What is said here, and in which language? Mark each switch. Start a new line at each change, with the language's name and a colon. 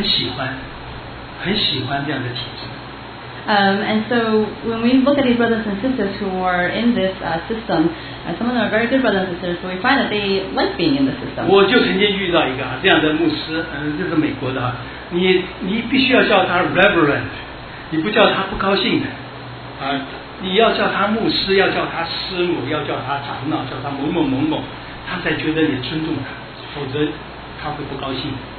Chinese: 当然，我们也要说哈，这些在体制中的人啊，在这个圣品阶级中的人，很多不少的这些很好的基督徒，其实他们很喜欢这样的体制。
English: And so when we look at these brothers and sisters who are in this system, some of them are very good brothers and sisters, so we find that they like being in the system.
Chinese: 我就曾经遇到一个这样的牧师，这是美国的，你必须要叫他 Reverend， 你不叫他不高兴的，你要叫他牧师，要叫他师母，要叫他长老，叫他某某某某，他才觉得你尊重他，否则他会不高兴。